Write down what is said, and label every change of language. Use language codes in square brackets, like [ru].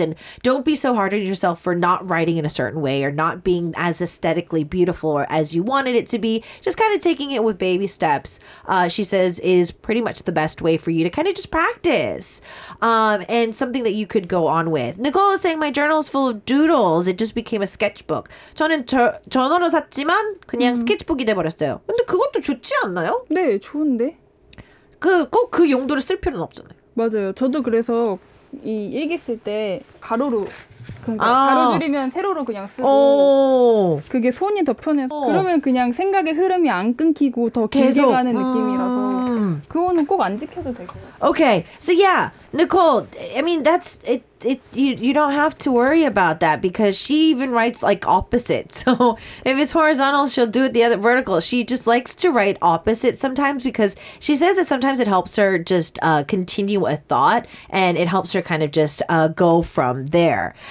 [en] And don't be so hard on yourself for not writing in a certain way or not being as aesthetically beautiful or as you wanted it to be. Just kind of taking it with baby steps, she says, is pretty much the best way for you to kind of just practice. And something that you could go on with. Nicole is saying, my journal is full of doodles. It just became a sketchbook. [ko] 저는 전화로 샀지만 그냥 스케치북이 돼버렸어요. 근데 그것도 좋지 않나요? 네, 좋은데. 꼭 그 용도를 쓸 필요는 없잖아요. 맞아요. 저도 그래서 이 일기 쓸 때 가로로 그러니까 가로줄이면 세로로 그냥 쓰고 그게 손이 더 편해서 그러면 그냥 생각의 흐름이 안 끊기고 더 계속 길게 가는 느낌이라서 그거는 꼭 안 지켜도 될 것 같아요. [en] Okay. So yeah, Nicole, I mean, that's it. You don't have to worry about that because she even writes like opposite. So if it's horizontal, she'll do it the other vertical. She just likes to write opposite sometimes because she says that sometimes it helps her just continue a thought and it helps her kind of just go from there.